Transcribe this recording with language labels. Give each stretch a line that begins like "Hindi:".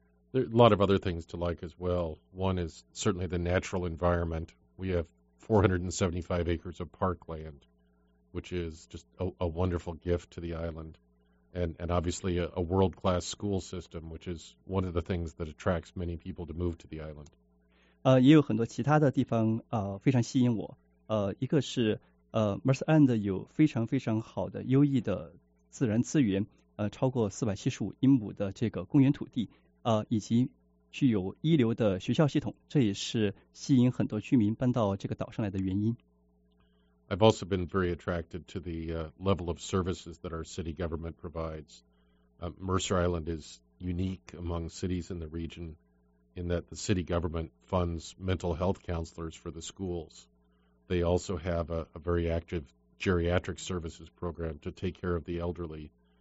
English: There are a lot of other things to like as well. One is certainly the natural environment. We have 475 acres of parkland, which is just a wonderful gift to the island. And obviously a world-class school system, which is one of the things that attracts many people to move to the island.
Chinese: 也有很多其他的地方非常吸引我。一个是 Mercer Island 有非常非常好的优异的自然资源，超过475英亩的这个公园土地，以及具有一流的学校系统，这也是吸引很多居民搬到这个岛上来的原因。
English: I've also been very attracted to the level of services that our city government provides. Mercer Island is unique among cities in the region in that the city government funds mental health counselors for the schools. They also have a very active geriatric services program to take care of the elderly.